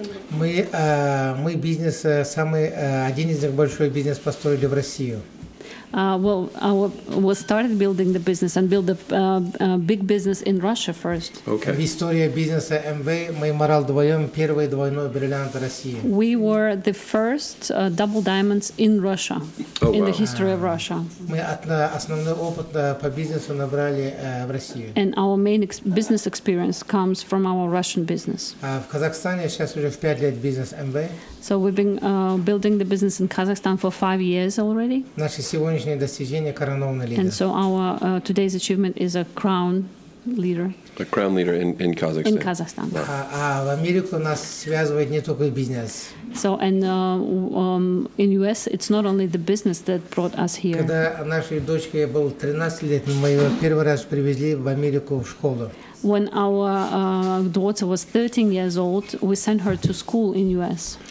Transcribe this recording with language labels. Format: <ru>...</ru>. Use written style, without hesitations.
<ru>Мы бизнес самый один из большой бизнес построили в Россию.</ru> <en>Well, we started building the business and build a big business in Russia first. Okay.</en> <ru>В истории бизнеса Amway мы морал двоем первый двойной бриллиант России.</ru> <en>We were the first double diamonds in Russia, the history of Russia.</en> <ru>Мы основной опыт по бизнесу набрали в России.</ru> <en>And our main business experience comes from our Russian business.</en> <ru>В Казахстане сейчас уже в 5 лет бизнес Amway.</ru> <en>So we've been building the business in Kazakhstan for 5 years already.</en> <ru>Наши сегодняшние достижения коронованы лидер.</ru> <en>And so our today's achievement is a crown leader. A crown leader in Kazakhstan. In Kazakhstan.</en> <ru>В Америку нас связывает не только бизнес.</ru> <en>So and in US it's not only the business that brought us here.</en> <ru>Когда нашей дочке было 13 лет, мы ее первый раз привезли в Америку в школу.</ru> <en>When our daughter was 13 years old, we sent her to school in US.</en>